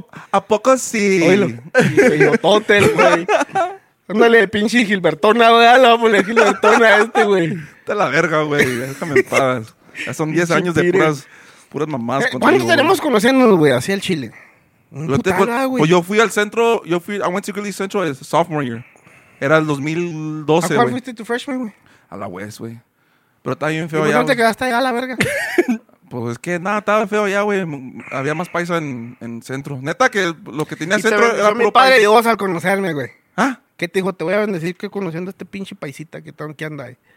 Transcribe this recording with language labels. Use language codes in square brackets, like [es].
[es] ¿A poco sí? Oílo. Y el hotel, güey. Ándale, pinche Gilbertona, güey. Lo voy a poner Gilbertona a este, güey. Está la verga, güey. Déjame en paz. Ya son 10 años de puras... Puras mamás. ¿Cuántos tenemos conociéndonos, güey? Así el chile. Pues yo fui al centro. [en] I went to Greeley Central sophomore year. [es] Era el 2012, güey. ¿A cuál fuiste tu freshman, güey? A la West, güey. Pero está bien feo allá. ¿Por qué no te quedaste allá a la verga? Pues es que nada, estaba feo ya, güey. Había más paisa en centro. Neta que lo que tenía centro era puro paisa. Mi padre Dios al conocerme, güey. ¿Ah? ¿Qué te dijo? Te voy a bendecir que conociendo a este pinche paisita que tengo que andar.